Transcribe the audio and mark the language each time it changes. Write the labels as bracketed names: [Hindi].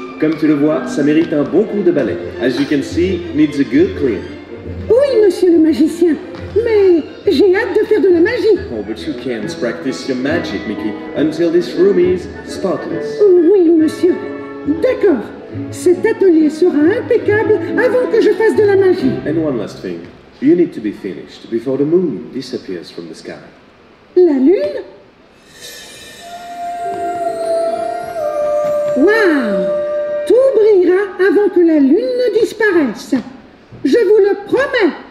[French] Comme tu le vois, ça mérite un bon coup de balai. [English] As you can see, needs a good clean. [French] Oui, monsieur le magicien. Mais j'ai hâte de faire de la magie. [English] Oh, but you can't practice your magic, Mickey, until this room is spotless. [French] Oui, monsieur. D'accord. Cet atelier sera impeccable avant que je fasse de la magie. [English] And one last thing. You need to be finished before the moon disappears from the sky. [French] La lune? Wow! Tout brillera avant que la lune ne disparaisse. Je vous le promets.